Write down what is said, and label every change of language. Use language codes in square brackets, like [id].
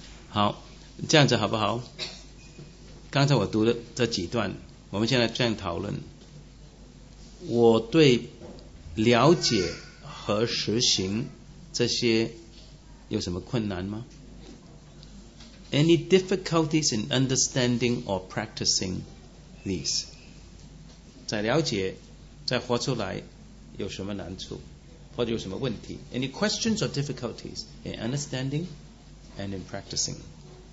[zh] 好，这样子好不好？刚才我读的这几段，我们现在这样讨论。我对了解和实行这些有什么困难吗？ [en] Any difficulties in understanding or practicing these? [zh] 在了解，在活出来有什么难处，或者有什么问题？ [en] Any questions or difficulties in understanding and in practicing?